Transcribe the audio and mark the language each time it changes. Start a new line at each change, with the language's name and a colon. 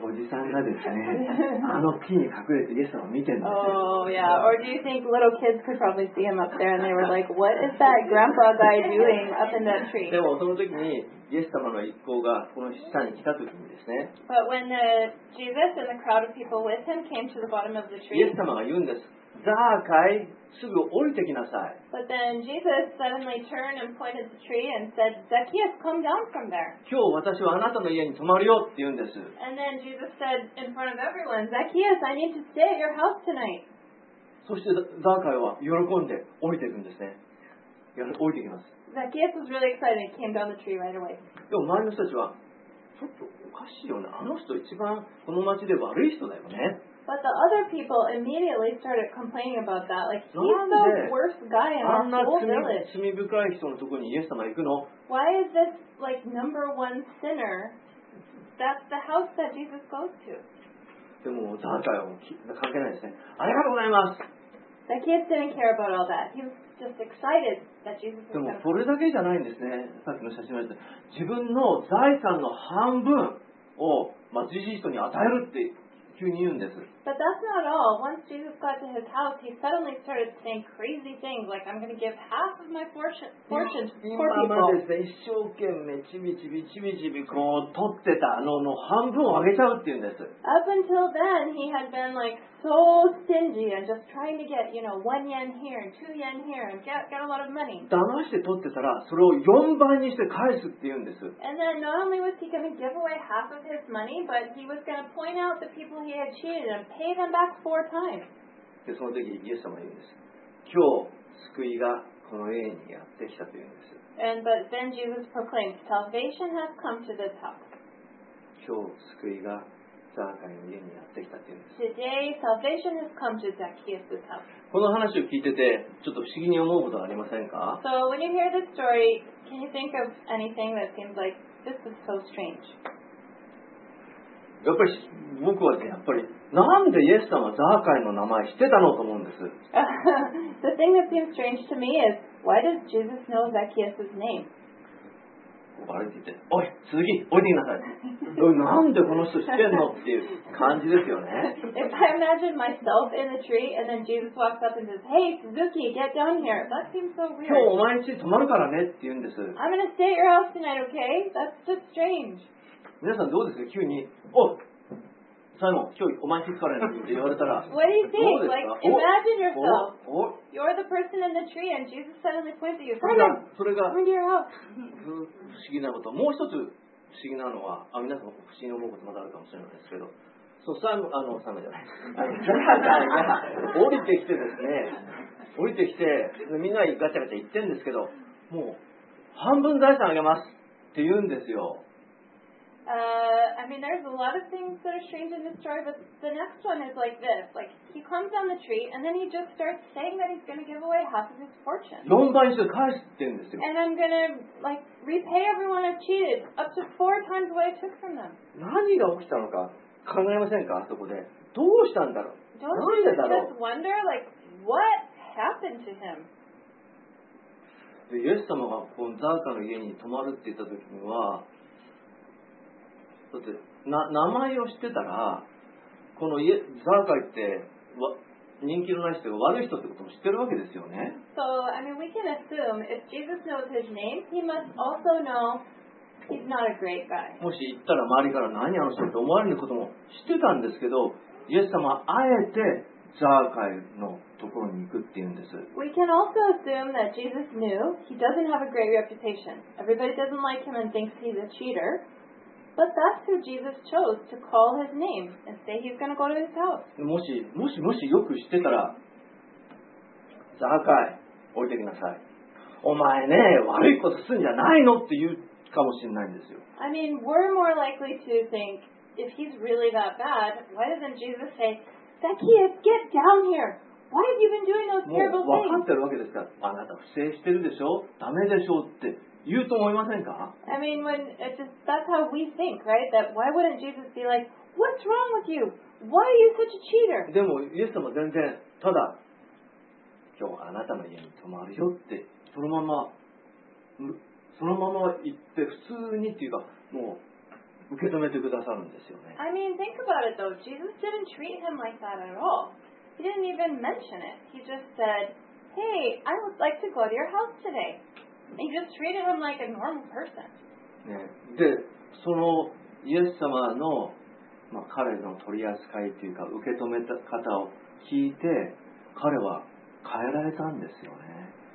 Japanese: いいおじさんがですね、あの木に隠れてイエス様を見てるんですよ。
English: Oh yeah. Or do you think little kids could probably see him up there and they were like, "What is that grandpa guy doing up in that tree?"
Japanese: でもその時にイエス様の一行がこの下に来た時にですね。
English: But when Jesus and the crowd of people with him came to the bottom of the tree,
Japanese: イエス様が言うんです。ザーカイ、すぐ降りてきなさい。
English: But then Jesus suddenly turned and pointed the tree and said, Zacchaeus, come down from there.
Japanese: 今日私はあなたの家に泊まるよって言うんです。
English: And then Jesus said in front of everyone, Zacchaeus, I need to stay at your house tonight.
Japanese: そしてザーカイは喜んで降りていくんですね。降りてきます。
English: Zacchaeus was really excited and came down the tree right away.
Japanese: でも周りの人たちは、ちょっとおかしいよね。あの人一番この町で悪い人だよね。
English: But the other people immediately started complaining about that. Like, he's the worst guy in the whole village.
Japanese: 罪深い人のところにイエス様行くの?
English: Why is this, like, number one sinner? That's the house that Jesus goes to.
Japanese: でもザーカイは関係ないですね。ありがとうございます。
English: ザキエス didn't care about all that. He was just excited that Jesus was there.
Japanese: でもそれだけじゃないんですね。さっきの写真で自分の財産の半分をまあ、ジジイストに与えるって急に言うんです。
English: But that's not all. Once Jesus got to his house, he suddenly started saying crazy things like, "I'm going to give half of my fortune to poor people."
Japanese: 今まで、ね、一生懸命ちびちびちびちびこう取ってたの半分をあげちゃうっていうんです。
English: Up until then, he had been like so stingy and just trying to get, you know, one yen here and two yen here and get a lot of money.
Japanese: 騙して取ってたらそれを四倍にして返すっていうんです。
English: And then not only was he going to give away half of his money, but he was going to point out the people he had cheated and pay them back four times.
Japanese: でその時イエス様は言うんです。今日救いがこの家にやってきたというんです。
English: And but then Jesus proclaimed, "Salvation has come to this house."
Japanese: 今日救いがザーカイの家にやってきたというんです。
English: Today salvation has come to Zacchaeus' house.
Japanese: この話を聞いててちょっと不思議に思うことはありませんか
English: ？So when you hear this story, can you think of anything that seems like this is so strange?
Japanese: やっぱり僕はね、やっぱりなんでイエス様はザーカイの名前知ってたのと思うんです。
English: The thing that seems strange to me is, why does Jesus know Zacchaeus' name?
Japanese: バレてて、おい、鈴木、おいでなさい。なんでこの人知ってんのっていう感じですよね。
English: If I imagine myself in the tree and then Jesus walks up and says, Hey, Suzuki, get down here. That seems so weird.
Japanese: 今日お前家泊まるからねって言うんです。
English: I'm going to stay at your house tonight, okay? That's just strange.
Japanese: 皆さんどうですか急に、おサイモン、今日お前引っ張れって言われたら、
English: What do you think?
Japanese: どうですか
English: like, imagine yourself. You're the person in the tree and Jesus suddenly points at you.
Japanese: それが
English: Come to your house.
Japanese: 不思議なこと。もう一つ不思議なのは、あ皆さん不思議に思うことまだあるかもしれないですけど、そうサイモンじゃない。ザーカイが降りてきてですね、降りてきて、みんなガチャガチャ言ってるんですけど、もう半分財産あげますって言うんですよ。
English: I mean, there's a lot of things that are strange in this story, but the next one is like this. Like, he comes down the tree, and then he just starts saying that he's going to give away half of his fortune.
Japanese: 4倍して返すって言うんですよ。
English: And I'm going to, like, repay everyone I've cheated up to four times what I took from them.
Japanese: 何が起きたのか考えませんかそこで。どうしたんだろう
English: Don't you just wonder, like, what happened to him?
Japanese: で、イエス様がこのザーカの家に泊まるって言った時には、だって名前を知ってたらこのザーカイって人気のない人が悪い人ってことも知ってるわけですよね。
English: So, I mean, we can assume if Jesus knows his name, he must also know he's not a great guy.
Japanese: もし言ったら周りから何あの人って思われることも知ってたんですけど、イエス様はあえてザーカイのところに行くっていうんです。
English: We can also assume that Jesus knew he doesn't have a great reputation. Everybody doesn't like him and thinks he's a cheater. But that's who Jesus chose to call his name and say he's going to go to his house.
Japanese: もしよく知ってたら、ザーカイ、降りてきなさい。お前ね、悪いことするんじゃないのって言うかもしれないんですよ。
English: I mean, we're more likely to think, if he's really that bad, why doesn't Jesus say, Zacchaeus, get down here! Why have you been doing those terrible things?
Japanese: もう分かってるわけですから、あなた不正してるでしょ? ダメでしょ?って。言うと思いませんか?
English: I mean, when it's just, that's how we think, right? That why wouldn't Jesus be like, what's wrong with you? Why are you such a cheater?
Japanese: でも、イエス様は全然、ただ、今日あなたの家に泊まるよって、そのまま言って、普通にっていうか、もう、受け止めてくださるんですよね。
English: I mean, think about it though. Jesus didn't treat him like that at all. He didn't even mention it. He just said, hey, I would like to go to your house today. He just treated him like a normal person.
Japanese: ね、で、そのイエス様の、まあ、彼の取り扱いというか受け止め方を聞いて、彼は変えられたんですよね。